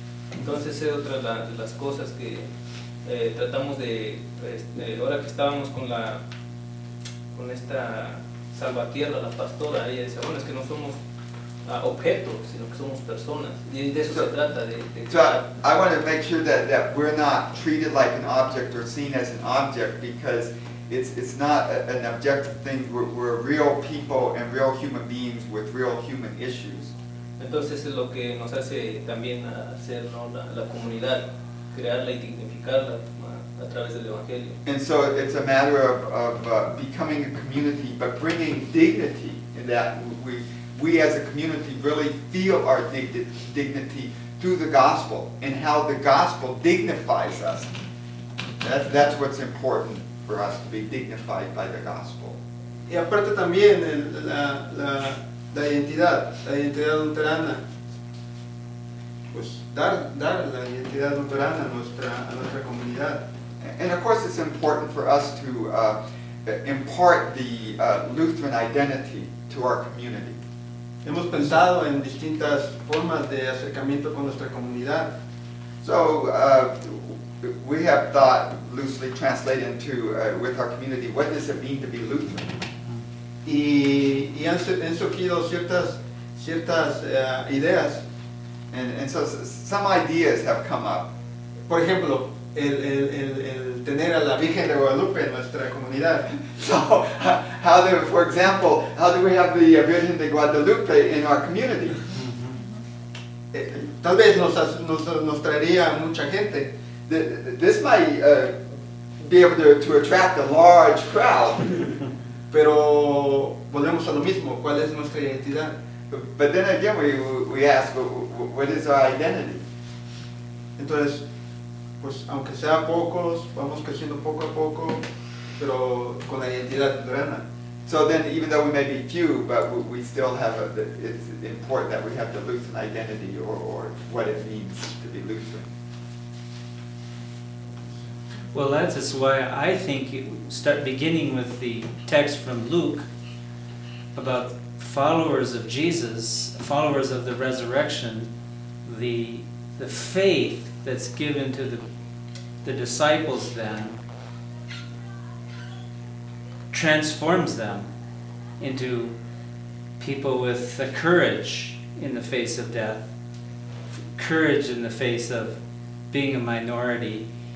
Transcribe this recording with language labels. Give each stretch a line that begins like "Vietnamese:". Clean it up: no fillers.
Spanish: Entonces es otra de las cosas que tratamos de ahora que estábamos con esta Salvatierra, la pastora, ella dice, bueno, es que no somos objetos, sino que somos personas. Y de eso se trata.
English: So I want to make sure that we're not treated like an object or seen as an object, because it's not an objective thing. We're real people and real human beings with real human issues.
Spanish: Entonces es lo que nos hace también hacer, ¿no?, la comunidad, crearla y dignificarla.
English: And so it's a matter of becoming a community, but bringing dignity, in that we as a community really feel our dignity through the gospel and how the gospel dignifies us. That's what's important for us, to be dignified by the gospel.
Spanish: Y aparte también la identidad luterana. Pues dar la identidad luterana a nuestra comunidad.
English: And of course it's important for us to impart the Lutheran identity to our community.
Spanish: Hemos pensado en distintas formas de acercamiento con nuestra comunidad.
English: So we have thought, loosely translated into with our community, what does it mean to be Lutheran?
Spanish: Y han surgido ciertas ideas.
English: And so some ideas have come up.
Spanish: Por ejemplo, el tener a la Virgen de Guadalupe en nuestra comunidad.
English: So, how do we have the Virgen de Guadalupe in our community?
Spanish: Tal vez nos traería mucha gente.
English: This might be able to attract a large crowd.
Spanish: Pero volvemos a lo mismo, ¿cuál es nuestra identidad?
English: But then again we ask, what is our identity?
Spanish: Entonces, pues aunque sea pocos, vamos creciendo poco a poco, pero con la identidad luterana.
English: So then, even though we may be few, but we still have it's important that we have the Lutheran identity or what it means to be Lutheran. Well, that is why I think beginning with the text from Luke about followers of Jesus, followers of the resurrection, the faith that's given to the disciples then transforms them into people with the courage in the face of death, courage in the face of being a minority.